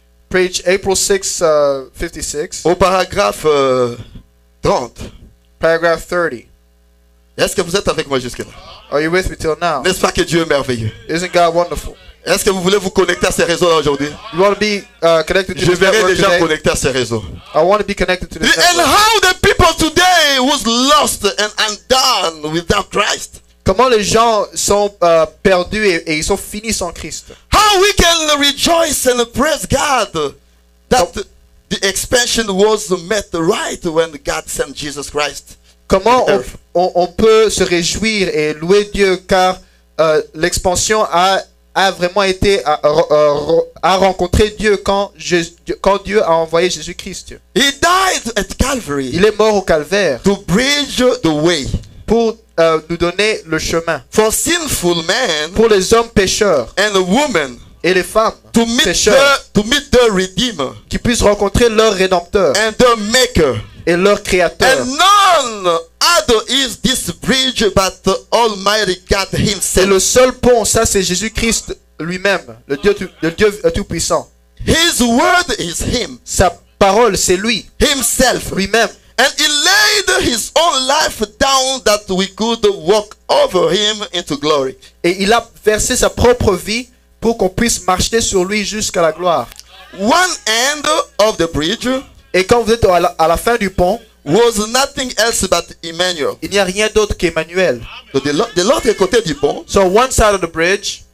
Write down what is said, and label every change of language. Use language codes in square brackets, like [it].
[en] Preach April 6, 56. [fr] Au paragraphe 30. [en] Paragraph 30. [fr] Est-ce que vous êtes avec moi jusque-là? [en] Are you with me till now? [fr] N'est-ce pas que Dieu est merveilleux? [en] Isn't God wonderful? [fr] Est-ce que vous voulez vous connecter à ces réseaux là aujourd'hui? [en] You want to be connected to this network today? [fr] Je verrai déjà connecté à ces réseaux. [en] I want to be connected to this network. And how the people today was lost and undone without Christ? [fr] Comment les gens sont perdus et ils sont finis sans Christ? [en] How we can rejoice and praise God that the expansion was met right when God sent Jesus Christ? [fr] Comment on peut se réjouir et louer Dieu car l'expansion a vraiment été à rencontrer Dieu quand Dieu a envoyé Jésus Christ? [en] He died at Calvary. [fr] Il est mort au calvaire. [en] To bridge the way. [fr] Pour nous donner le chemin. [en] For sinful men, [fr] pour les hommes pécheurs, [en] and the women, [fr] et les femmes [en] to meet [fr] pécheurs, [en] to meet their redeemer, [fr] qui puissent rencontrer leur rédempteur, [en] and their maker, [fr] et leur créateur. [en] And none other is this bridge but the Almighty God Himself. [fr] Et le seul pont, ça, c'est Jésus Christ lui-même, le Dieu tout puissant. [en] His word is Him. [fr] Sa parole, c'est lui. [en] Himself. [fr] Lui-même. [en] And he laid his own life down that we could walk over him into glory. [fr] Et il a versé sa propre vie pour qu'on puisse marcher sur lui jusqu'à la gloire. [en] One end of the bridge, [fr] et quand vous êtes à la fin du pont, [en] was nothing else but Emmanuel. [fr] Il n'y a rien d'autre qu'Emmanuel. De l'autre côté du pont, [en] so one side of the bridge,